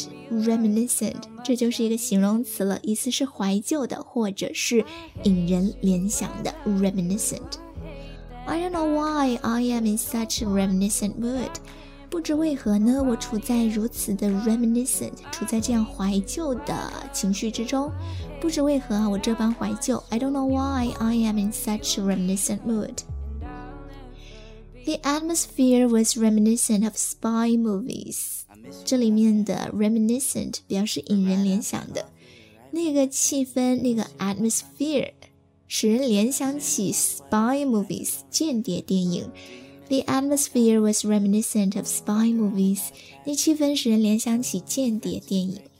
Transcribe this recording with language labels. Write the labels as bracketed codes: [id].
[zh] Reminiscent 这就是一个形容词了，意思是怀旧的或者是引人联想的。 [en] Reminiscent I don't know why I am in such a reminiscent mood. [zh] 不知为何呢，我处在如此的 reminiscent， 处在这样怀旧的情绪之中。不知为何我这般怀旧。 [en] I don't know why I am in such a reminiscent mood. The atmosphere was reminiscent of spy movies. [zh] 这里面的 reminiscent 表示引人联想的，那个气氛，那个 atmosphere 使人联想起 [en] spy movies [zh] 间谍电影。 [en] The atmosphere was reminiscent of spy movies. [zh] 那气氛使人联想起间谍电影。